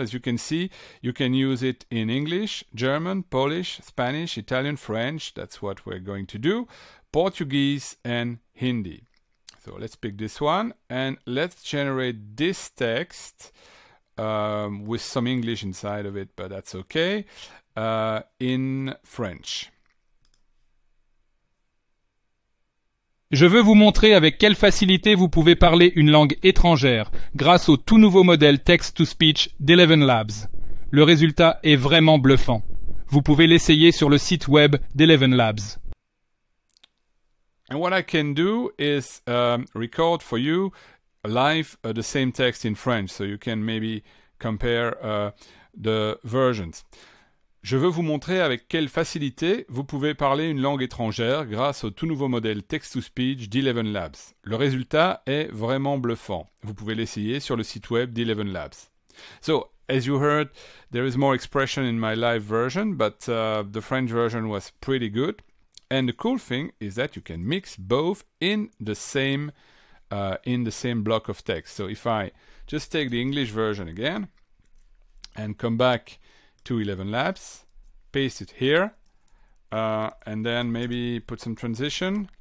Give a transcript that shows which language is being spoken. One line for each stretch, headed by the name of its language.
English: As you can see, you can use it in English, German, Polish, Spanish, Italian, French, that's what we're going to do, Portuguese, and Hindi. So let's pick this one and let's generate this text with some English inside of it, but that's okay, in French.
French: Je veux vous montrer avec quelle facilité vous pouvez parler une langue étrangère grâce au tout nouveau modèle text-to-speech d'ElevenLabs. Le résultat est vraiment bluffant. Vous pouvez l'essayer sur le site web d'ElevenLabs.
English: And what I can do is record for you live the same text in French, so you can maybe compare the versions.
French: Je veux vous montrer avec quelle facilité vous pouvez parler une langue étrangère grâce au tout nouveau modèle text-to-speech d'ElevenLabs. Le résultat est vraiment bluffant. Vous pouvez l'essayer sur le site web d'ElevenLabs.
English: So, as you heard, there is more expression in my live version, but the French version was pretty good. And the cool thing is that you can mix both in the same block of text. So if I just take the English version again and come back to 11labs, paste it here, and then maybe put some transition.